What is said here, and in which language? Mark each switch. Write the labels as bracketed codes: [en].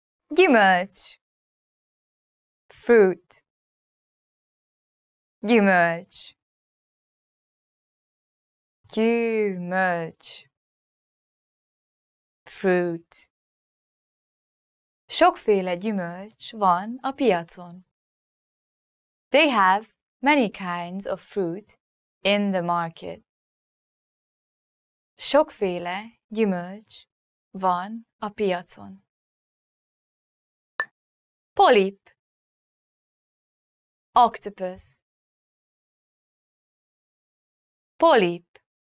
[hu] Gyümölcs. [en] Fruit. [hu] Gyümölcs. Gyümölcs. [en] Fruit. [hu] Sokféle gyümölcs van a piacon. [en] They have many kinds of fruit in the market. [hu] Sokféle gyümölcs van a piacon. Polyp. [en] Octopus. [hu] Polyp.